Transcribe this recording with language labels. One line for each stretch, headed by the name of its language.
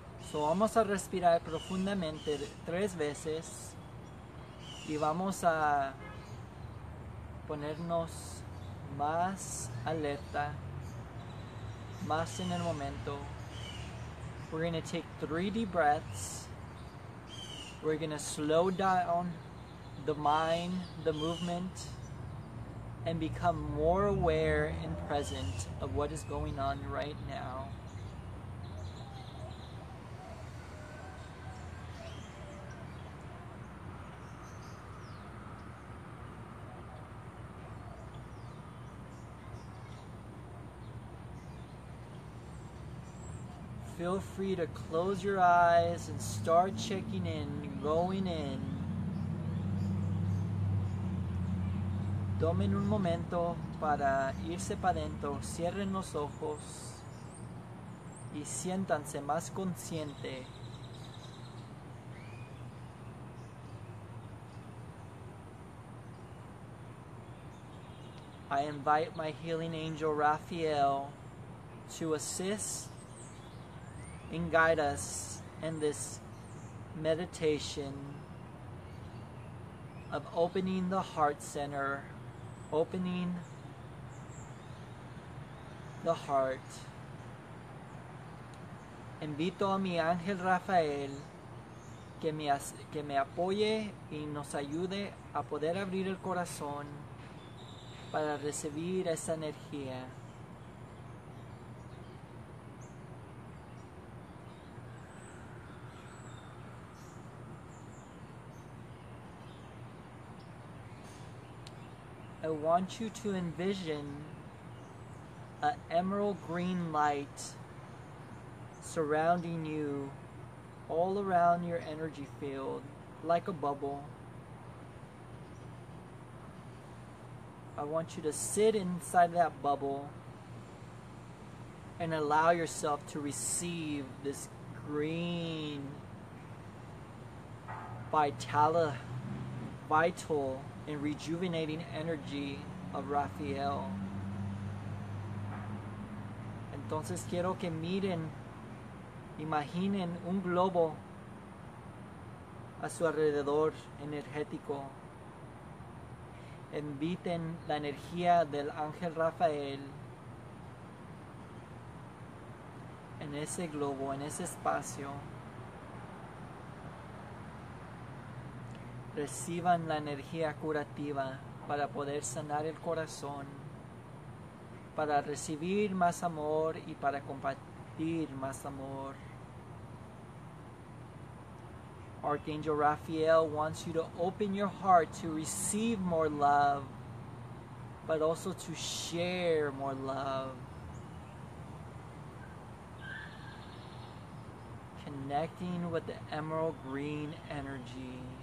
Spanish: So vamos a respirar profundamente 3 veces y vamos a ponernos más alerta, más en el momento.
English: We're going to take 3 deep breaths. We're going to slow down the mind, the movement, and become more aware and present of what is going on right now. Feel free to close your eyes and start checking in, going in.
Spanish: Tomen un momento para irse para adentro, cierren los ojos y siéntanse más consciente.
English: I invite my healing angel Raphael to assist and guide us in this meditation of opening the heart center, opening the heart.
Spanish: Invito a mi ángel Rafael que me apoye y nos ayude a poder abrir el corazón para recibir esa energía.
English: I want you to envision an emerald green light surrounding you, all around your energy field, like a bubble. I want you to sit inside that bubble and allow yourself to receive this green vital and rejuvenating energy of Raphael.
Spanish: Entonces quiero que miren, imaginen un globo a su alrededor energético. Inviten la energía del ángel Rafael en ese globo, en ese espacio. Reciban la energía curativa para poder sanar el corazón, para recibir más amor y para compartir más amor.
English: Archangel Raphael wants you to open your heart to receive more love, but also to share more love. Connecting with the emerald green energy.